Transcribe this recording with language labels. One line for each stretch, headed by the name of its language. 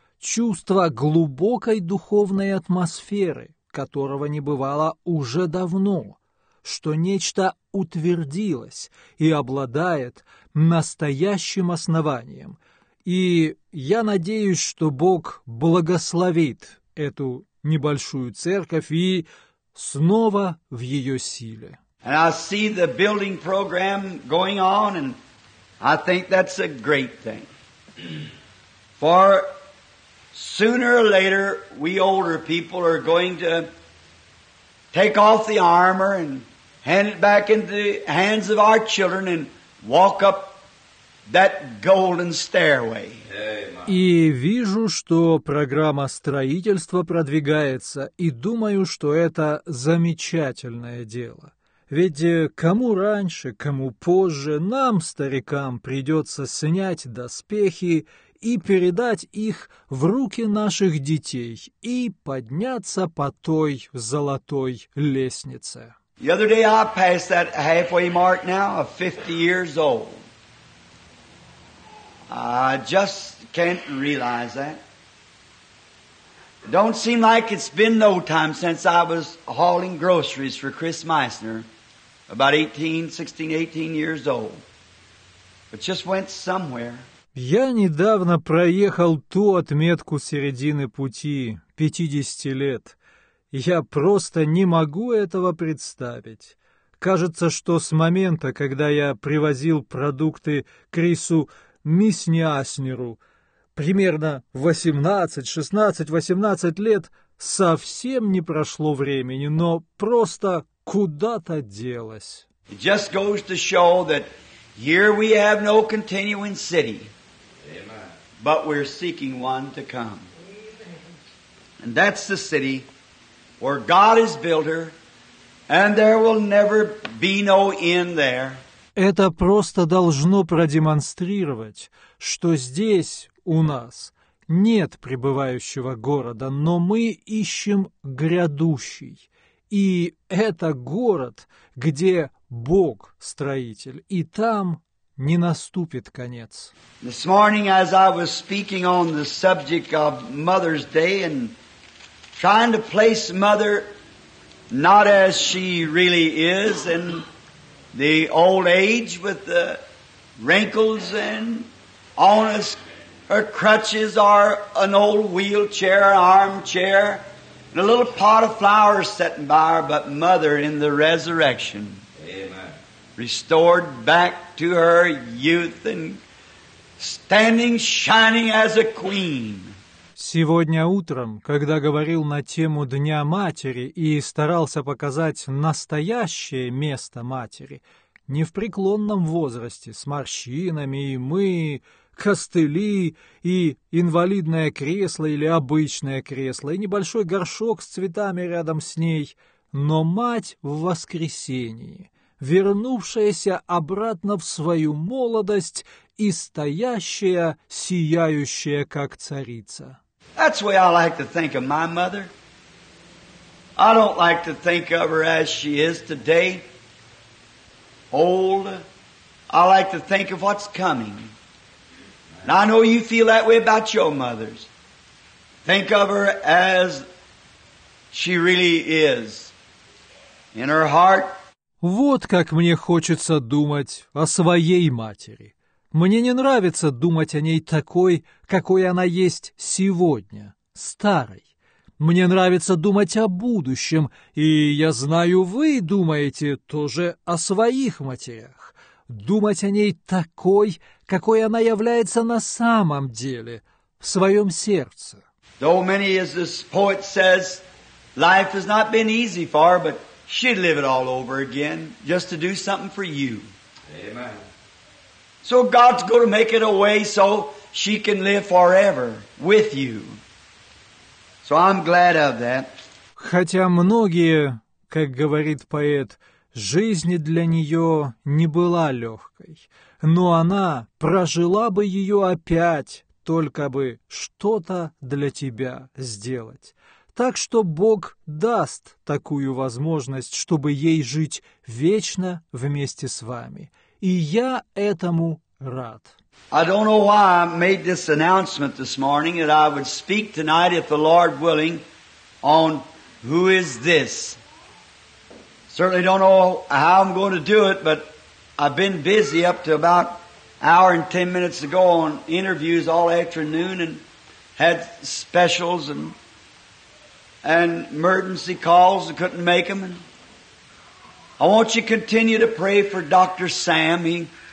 Russian: Чувство глубокой духовной атмосферы, которого не бывало уже давно, что нечто утвердилось и обладает настоящим основанием. И я надеюсь, что Бог благословит эту небольшую церковь и снова в ее силе.
English: And I see the building program going on, and I think that's a great thing. For sooner or later, we older people are going to take off the armor and hand it back into the hands of our children and walk up that golden stairway.
Russian: И вижу, что программа строительства продвигается, и думаю, что это замечательное дело. Ведь кому раньше, кому позже, нам, старикам, придется снять доспехи и передать их в руки наших детей и подняться по той золотой лестнице.
English: The other day I passed that halfway mark now of 50 years old. I just can't realize that. Don't seem like it's been no time since I was hauling groceries for Chris Meissner, about 16, 18 years old. But just went somewhere.
Russian: Я недавно проехал ту отметку середины пути, 50 лет. Я просто не могу этого представить. Кажется, что с момента, когда я привозил продукты Крису Мисниаснеру, примерно 18 лет, совсем не прошло времени, но просто куда-то делось.
English: It just goes to show that here we have no continuing city, but we're seeking one to come. And that's the city where God is builder, and there will never be no end there.
Russian: Это просто должно продемонстрировать, что здесь у нас нет пребывающего города, но мы ищем грядущий. И это город, где Бог строитель, и там не наступит конец.
English: This morning, as I was speaking on the subject of Mother's Day and trying to place Mother not as she really is and the old age with the wrinkles and on her crutches are an old wheelchair, armchair, and a little pot of flowers sitting by her, but Mother in the resurrection. Amen. Restored back to her youth and standing shining as a queen.
Russian: Сегодня утром, когда говорил на тему Дня Матери и старался показать настоящее место матери, не в преклонном возрасте, с морщинами, и мы, костыли, и инвалидное кресло или обычное кресло, и небольшой горшок с цветами рядом с ней, но мать в воскресении, вернувшаяся обратно в свою молодость и стоящая, сияющая, как царица.
English: That's the way I like to think of my mother. I don't like to think of her as she is today, old. I like to think of what's coming. And I know you feel that way about your mothers. Think of her as she really is in her heart.
Russian: Вот как мне хочется думать о своей матери. Мне не нравится думать о ней такой, какой она есть сегодня, старой. Мне нравится думать о будущем, и я знаю, вы думаете тоже о своих матерях. Думать о ней такой, какой она является на самом деле, в своем сердце.
English: Though many, as this poet says, life has not been easy for her, but she'd live it all over again just to do something for you. Amen. So God's going to make it a way so she can live forever with you. So I'm glad of that.
Russian: Хотя многие, как говорит поэт, жизнь для нее не была легкой, но она прожила бы ее опять, только бы что-то для тебя сделать. Так что Бог даст такую возможность, чтобы ей жить вечно вместе с вами. И я этому рад.
English: I don't know why I made this announcement this morning that I would speak tonight, if the Lord willing, on who is this. Certainly don't know how I'm going to do it, but I've been busy up to about an hour and 10 minutes ago on interviews all afternoon and had specials and emergency calls and couldn't make them. And I want you to continue to pray for Dr. Sam.